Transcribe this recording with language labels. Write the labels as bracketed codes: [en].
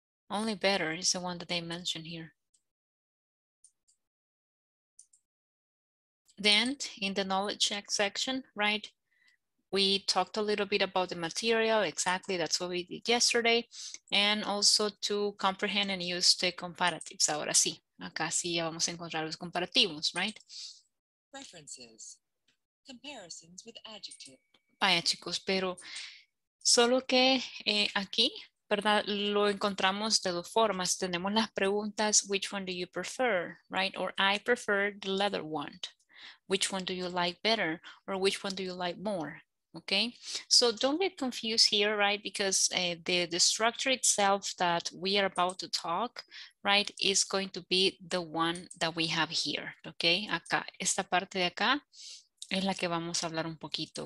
[en] Only better is the one that they mention here. Then in the knowledge check section, right? We talked a little bit about the material, exactly, that's what we did yesterday, and also to comprehend and use the comparatives. [es] Ahora sí, acá sí ya vamos a encontrar los comparativos, [en] right? References, comparisons with adjective. [es] Vaya chicos, pero solo que aquí, ¿verdad? Lo encontramos de dos formas. Tenemos las preguntas, [en] which one do you prefer, right? Or I prefer the leather one. Which one do you like better? Or which one do you like more? Okay, so don't get confused here, right? Because the structure itself that we are about to talk, right, is going to be the one that we have here, okay? [es] Acá, esta parte de acá es la que vamos a hablar un poquito.